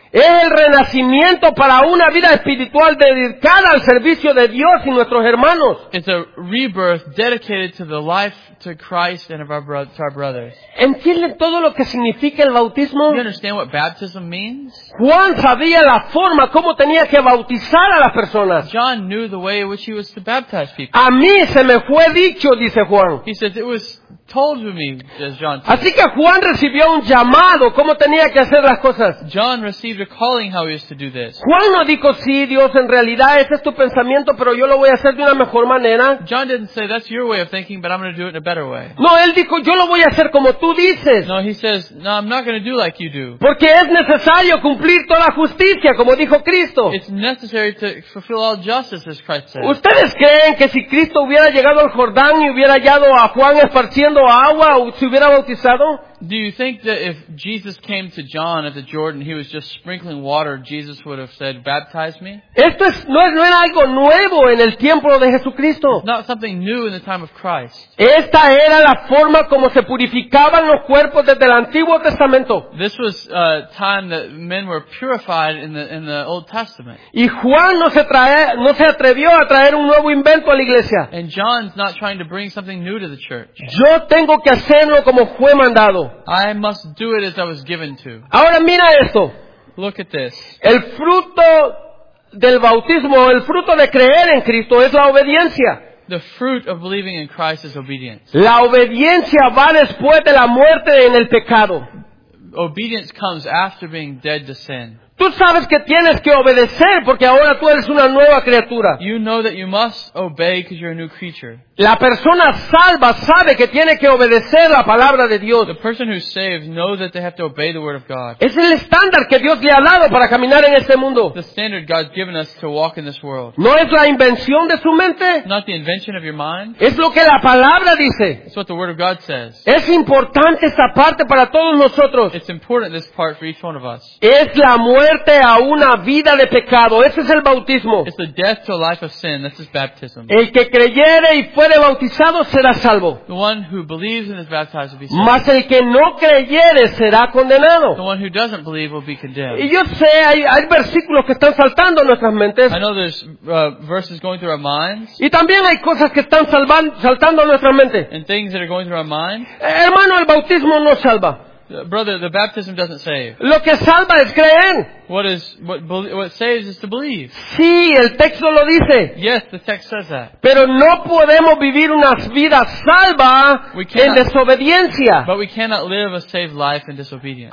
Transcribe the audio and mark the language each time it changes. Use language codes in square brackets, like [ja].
[es] es el renacimiento para una vida espiritual dedicada al servicio de Dios y nuestros hermanos. [en] It's a rebirth dedicated to the life to Christ and of our to our brothers. [es] ¿Entienden todo lo que significa el bautismo? [en] You understand what baptism means? [es] Juan sabía la forma cómo tenía que bautizar a las personas. [en] John knew the way in which he was to baptize people. [es] A mí se me fue dicho, dice Juan. [en] He says it was told to me, says John. [es] Así que Juan recibió un llamado cómo tenía que hacer las cosas. [en] John received a calling how he was to do this. [es] Juan no dijo sí, Dios, en realidad ese es tu pensamiento, pero yo lo voy a hacer de una mejor manera. [en] John didn't say that's your way of thinking, but I'm going to do it in a better way. [es] No, él dijo yo lo voy a hacer como tú dices. [en] No, he says no, I'm not going to do like you do. [es] Porque es necesario cumplir toda justicia, como dijo Cristo. [en] It's necessary to fulfill all justice, as Christ said. [es] ¿Ustedes creen que si Cristo hubiera llegado al Jordán y hubiera hallado a Juan esparciendo agua, se hubiera bautizado? [en] Do you think that if Jesus came to John at the Jordan, he was just sprinkling water, Jesus would have said, baptize me? [es] Esto es, no era algo nuevo en el tiempo de Jesucristo. [en] It's not something new in the time of Christ. [es] Esta era la forma como se purificaban los cuerpos desde el Antiguo Testamento. [en] This was a time that men were purified in the Old Testament. [es] Y Juan no se atrevió a traer un nuevo invento a la iglesia. [en] And John's not trying to bring something new to the church. [es] Yo tengo que hacerlo como fue mandado. [en] I must do it as I was given to. [es] Ahora mira esto. [en] Look at this. [es] El fruto del bautismo, el fruto de creer en Cristo es la obediencia. [en] The fruit of believing in Christ is obedience. [es] La obediencia va después de la muerte en el pecado. [en] Obedience comes after being dead to sin. [es] Tú sabes que tienes que obedecer porque ahora tú eres una nueva criatura. [en] You know that you must obey because you're a new creature. [es] La persona salva sabe que tiene que obedecer la palabra de Dios. [en] The person who's saved knows that they have to obey the word of God. [es] Es el estándar que Dios le ha dado para caminar en este mundo. [en] The standard God's given us to walk in this world. [es] No es la invención de su mente. [en] Not the invention of your mind. [es] Es lo que la palabra dice. [en] It's what the word of God says. [es] Es importante esta parte para todos nosotros. [en] It's important this part for each one of us. [es] Es la muerte a una vida de pecado. Ese es el bautismo. [en] It's the death to a life of sin. This is baptism. [es] El que creyere y fuere bautizado será salvo. [en] The one who believes and is baptized will be saved. [es] Mas el que no creyere será condenado. [en] The one who doesn't believe will be condemned. [es] Y yo sé, hay versículos que están saltando en nuestras mentes. [en] I know there's verses going through our minds. [es] Y también hay cosas que están saltando en nuestras mentes. [en] And things that are going through our minds. [es] Hermano, el bautismo no salva. [en] Brother, the baptism doesn't save. [es] Lo que salva es creer. [en] What saves is to believe. [es] Sí, el texto lo dice. [en] Yes, the text says that. [es] Pero no podemos vivir unas vidas salvas en desobediencia. [en] But we cannot live a saved life in disobedience.